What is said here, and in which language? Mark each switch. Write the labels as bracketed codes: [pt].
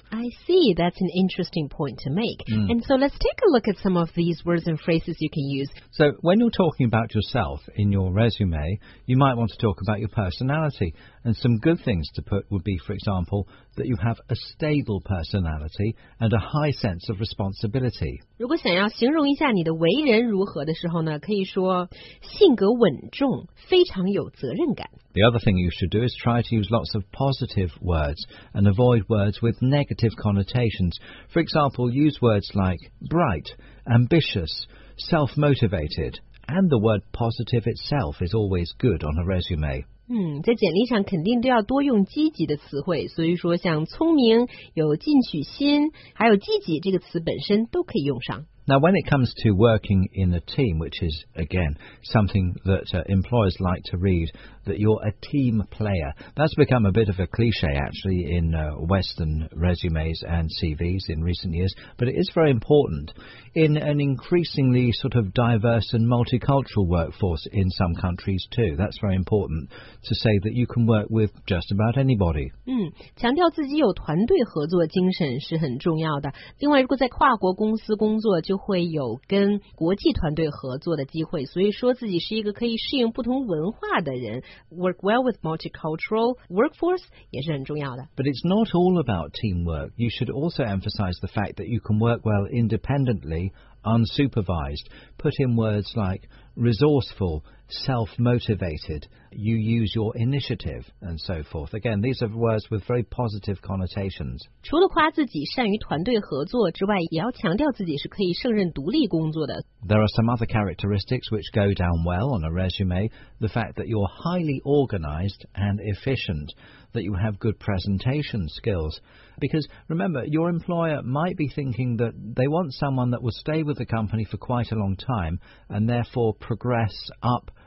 [en] I see, that's an interesting point to make. Mm. And so let's take a look at some of these words and phrases you can use. So when you're talking about yourself in your resume, you might want to talk about your personality. And some good things to put would be, for example, that you have a stable personality and a high sense of responsibility. [zh] 如果想要形容一下你的为人如何的时候呢，可以说性格稳重，非常有责任感。 [en] The other thing you should do is try to use lots of positive words and avoid words with negative connotations. For example, use words like bright, ambitious, self-motivated, and the word positive itself is always good on a resume. [zh] 在简历上肯定都要多用积极的词汇，所以说像聪明、有进取心，还有积极这个词本身都可以用上。 [en] Now, when it comes to working in a team, which is, again, something that、employers like to read, that you're a team player, that's become a bit of a cliche, actually, in、Western resumes and CVs in recent years, but it is very important. In an increasingly sort of diverse and multicultural workforce in some countries, too, that's very important to say that you can work with just about anybody. [zh] 强调自己有团队合作精神是很重要的。另外，如果在跨国公司工作就会有跟国际团队合作的机会，所以说自己是一个可以适应不同文化的人 ， [en] work well with multicultural workforce [zh] 也是很重要的。 [en] But it's not all about teamwork. You should also emphasize the fact that you can work well independently, unsupervised. Put in words like resourceful, self-motivated. You use your initiative and so forth. Again, these are words with very positive connotations. [zh] 除了夸自己善于团队合作之外，也要强调自己是可以胜任独立工作的。 [en] There are some other characteristics which go down well on a resume. The fact that you're highly organized and efficient, that you have good presentation skills. Because remember, your employer might be thinking that they want someone that will stay with the company for quite a long time and therefore progress up.